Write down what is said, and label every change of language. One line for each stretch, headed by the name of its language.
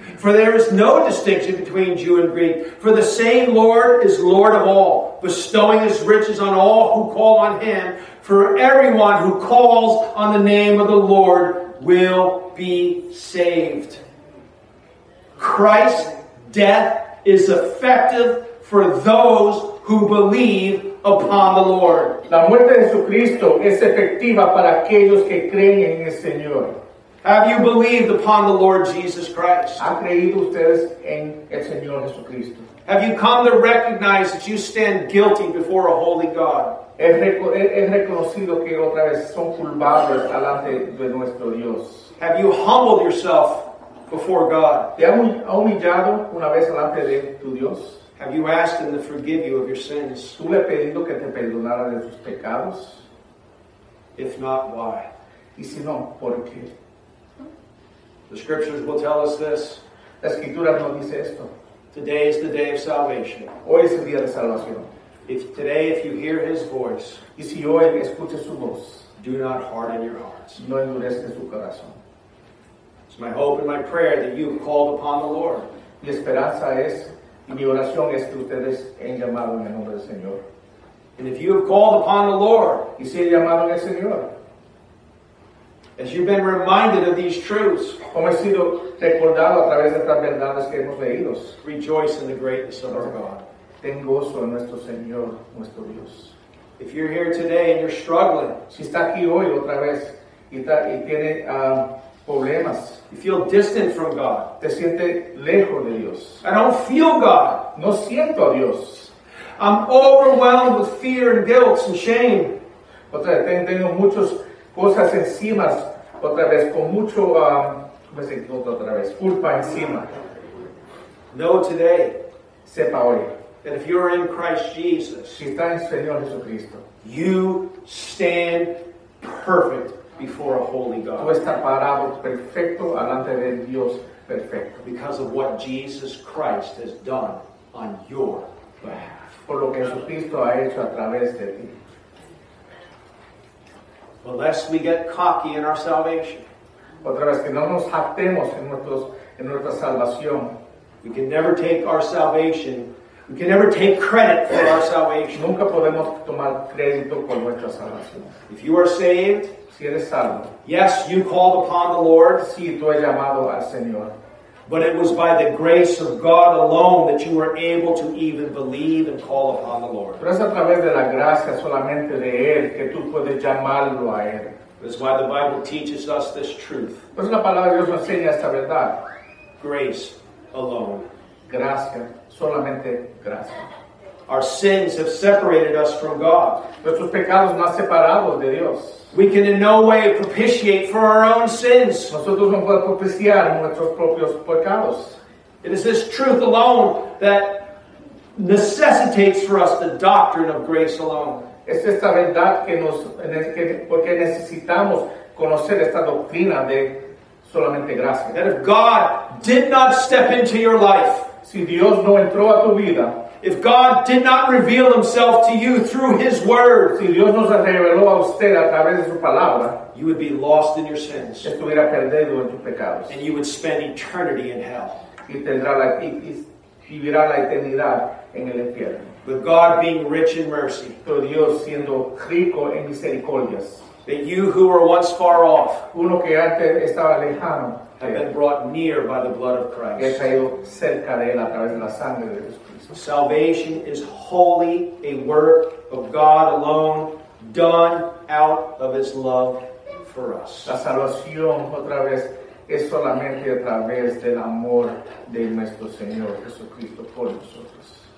English: For there is no distinction between Jew and Greek. For the same Lord is Lord of all, bestowing his riches on all who call on him. For everyone who calls on the name of the Lord will be saved. Christ's death is effective for those who believe upon the Lord.
Spanish: La muerte de Jesucristo es efectiva para aquellos que creen en el Señor.
English: Have you believed upon the Lord Jesus Christ?
Spanish: ¿Han creído ustedes en el Señor Jesucristo?
English: Have you come to recognize that you stand guilty before a holy God?
Spanish: Es reconocido que otra vez son culpables delante de nuestro Dios.
English: Have you humbled yourself before God?
Spanish: ¿Te has humillado una vez delante de tu Dios?
English: Have you asked Him to forgive you of your sins?
Spanish: ¿Tú le has pedido que te perdonara de tus pecados?
English: If not, why?
Spanish: ¿Y si no, por qué?
English: The Scriptures will tell us this.
Spanish: La Escritura nos dice esto.
English: Today is the day of salvation.
Spanish: Hoy es el día de salvación.
English: If today, if you hear His voice,
Spanish: y si hoy escuchas su voz,
English: do not harden your hearts.
Spanish: No endurezcas su corazón.
English: It's my hope and my prayer that you have called upon the Lord.
Spanish: Mi esperanza es, y mi oración es que ustedes han llamado en el nombre del Señor.
English: And if you have called upon the Lord,
Spanish: y si han llamado en el Señor,
English: as you've been reminded of these truths,
Spanish: como he sido recordado a través de estas verdades que hemos leído,
English: rejoice in the greatness of our God.
Spanish: Ten gozo en nuestro Señor, nuestro Dios.
English: If you're here today and you're struggling,
Spanish: si está aquí hoy otra vez y tiene problemas,
English: you feel distant from God.
Spanish: Te sientes lejos de Dios.
English: I don't feel God.
Spanish: No siento a Dios.
English: I'm overwhelmed with fear and guilt and shame.
Spanish: Otra vez, tengo muchas cosas encima, otra vez, con mucho, ¿cómo se dice otra vez? Culpa encima.
English: Know today.
Spanish: Sepa hoy.
English: And if you are in Christ Jesus,
Spanish: si está en Señor Jesucristo,
English: you stand perfect before a holy God.
Spanish: Tú estás parado perfecto delante de Dios perfecto.
English: Because of what Jesus Christ has done on your behalf.
Spanish: Por lo que Jesucristo ha hecho a través de ti.
English: Unless we get cocky in our salvation.
Spanish: Otra vez que no nos jactemos en nuestra salvación.
English: We can never take our salvation. We can never take credit for our salvation.
Spanish: Nunca podemos tomar crédito por nuestra salvación.
English: If you are saved,
Spanish: si eres salvo,
English: yes, you called upon the Lord.
Spanish: Sí, tú has llamado al Señor.
English: But it was by the grace of God alone that you were able to even believe and call upon the Lord.
Spanish: Pero es a través de la gracia solamente de Él que tú puedes llamarlo a Él.
English: That's why the Bible teaches us this truth.
Spanish: Pues la palabra de Dios nos enseña esta verdad.
English: Grace alone.
Spanish: Gracia. Solamente gracia.
English: Our sins have separated us from God.
Spanish: Nuestros pecados nos han separado de Dios.
English: We can in no way propitiate for our own sins.
Spanish: Nosotros no podemos propiciar nuestros propios pecados.
English: It is this truth alone that necessitates for us the doctrine of grace alone.
Spanish: Es esta verdad que nos, porque necesitamos conocer esta doctrina de solamente gracia.
English: That if God did not step into your life,
Spanish: si Dios no entró a tu vida,
English: if God did not reveal Himself to you through His Word,
Spanish: si Dios no se reveló a usted a través de su palabra,
English: you would be lost in your sins.
Spanish: Estuviera perdido en tus pecados.
English: And you would spend eternity in hell.
Spanish: Y tendrá la, vivirá la eternidad en el infierno.
English: With God being rich in mercy,
Spanish: pero Dios siendo rico en misericordias,
English: that you who were once far off,
Spanish: uno que antes estaba lejano,
English: have been brought near by the blood of Christ.
Spanish: He caído cerca de él a través de la sangre de Jesucristo.
English: Salvation is wholly a work of God alone, done out of His love for us.
Spanish: La salvación otra vez es solamente a través del amor de nuestro Señor Jesucristo por nosotros.